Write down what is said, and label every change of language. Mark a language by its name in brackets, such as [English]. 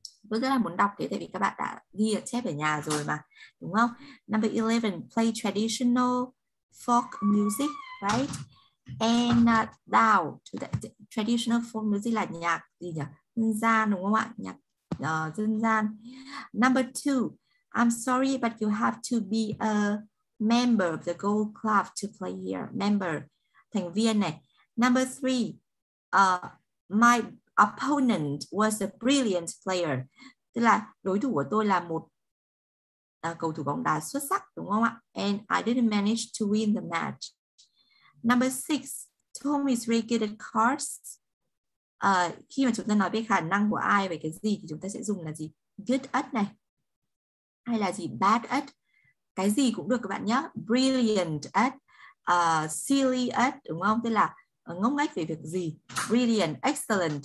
[Vietnamese] Vừa rất là muốn đọc thế tại vì các bạn đã ghi ở chép ở nhà rồi mà, đúng không? [English] Number 11, play traditional folk music, right? And thou to the traditional folk music [Vietnamese] là nhạc gì nhỉ? Dân gian đúng không ạ? Nhạc dân gian. [English] Number 2, I'm sorry but you have to be a member of the gold club to play here. Member, [Vietnamese] thành viên này. [English] Number 3, my opponent was a brilliant player. [Vietnamese] Tức là đối thủ của tôi là một cầu thủ bóng đá xuất sắc đúng không ạ? [English] And I didn't manage to win the match. Number 6, Tom is really good at cards. [Vietnamese] Khi mà chúng ta nói về khả năng của ai về cái gì thì chúng ta sẽ dùng là gì? Good at này. Hay là gì? Bad at. Cái gì cũng được các bạn nhé. Brilliant at. Silly at. Đúng không? Tức là ngốc nghếch về việc gì? Brilliant, excellent.